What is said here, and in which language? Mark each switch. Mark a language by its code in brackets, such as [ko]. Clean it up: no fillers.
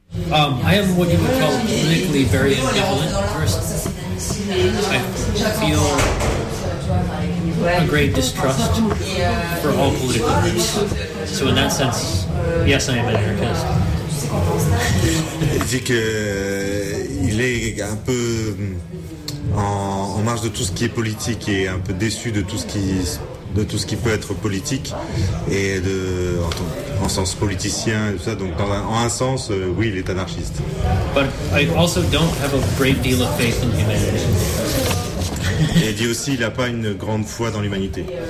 [en] I am what you would call politically very ambivalent person. I feel a great distrust for all political groups. So in that sense, yes, I am an anarchist. [fr] Il dit que il est un peu en marge de tout ce qui est politique et un peu déçu de tout ce qui peut être politique et de en sens politicien et tout ça. Donc en un sens, oui, il est anarchiste. [en] But I also don't have a great deal of faith in humanity. [fr] Et il dit aussi qu'il n'a pas une grande foi dans l'humanité.